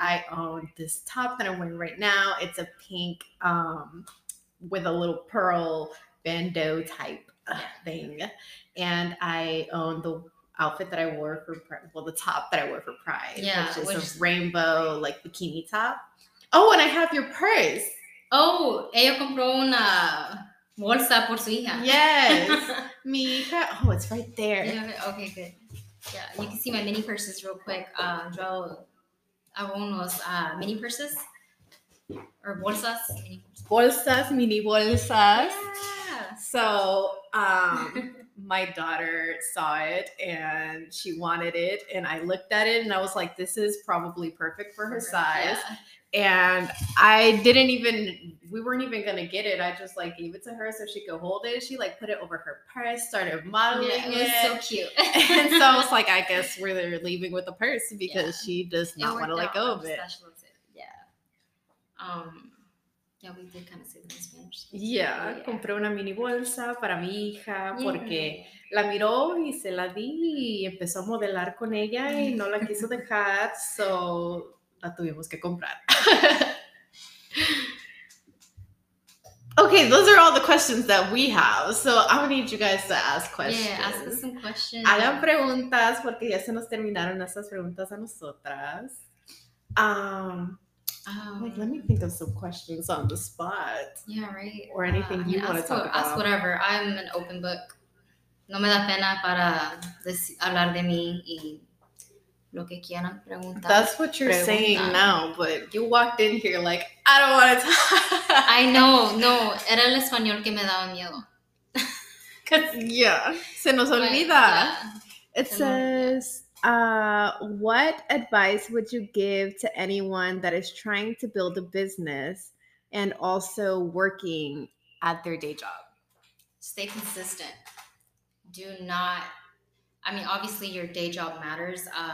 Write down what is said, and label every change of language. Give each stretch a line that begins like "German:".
English: I own this top that I'm wearing right now. It's a pink with a little pearl bandeau type thing. And I own the outfit that I wore for Pride. Well, the top that I wore for Pride. Yeah. Which is a rainbow like bikini top. Oh, and I have your purse.
Spanish: Oh, ella compró una bolsa por su hija.
English: Yes.
Spanish: Mi hija.
English: Oh, it's right there. Yeah, okay, good. Yeah, you can see my mini purses real quick. Joel, I own those mini purses or bolsas.
Spanish: Bolsas, mini bolsas.
English: Yeah. So my daughter saw it and she wanted it. And I looked at it and I was like, this is probably perfect for her size. Yeah. And I didn't even, we weren't even going to get it. I just like gave it to her so she could hold it. She like put it over her purse, started modeling it. Yeah, it was so cute. And so I was like, I guess we're leaving with the purse because she does not want to let go of it. Special too. Yeah. Yeah, we did kind of say that in Spanish.
Spanish: Yeah, compré una mini bolsa para mi hija porque la miró y se la di y empezó a modelar con ella y no la quiso dejar. So la tuvimos que comprar.
English: Okay, those are all the questions that we have. So I need you guys to ask questions. Yeah, ask us some questions.
Spanish: Hagan preguntas porque ya se nos terminaron esas preguntas a nosotras.
English: Wait, let me think of some questions on the spot. Yeah, right. Or anything you want to talk about. Ask whatever. I'm an open book.
Spanish: No me da pena para hablar de mí y lo que quieran preguntar.
English: That's what you're saying now, but you walked in here like, I don't want to talk. I know.
Spanish: No, era el español que me daba miedo. Yeah. Se nos olvida.
English: Yeah. It says, what advice would you give to anyone that is trying to build a business and also working at their day job? Stay consistent. Do not, I mean, obviously your day job matters.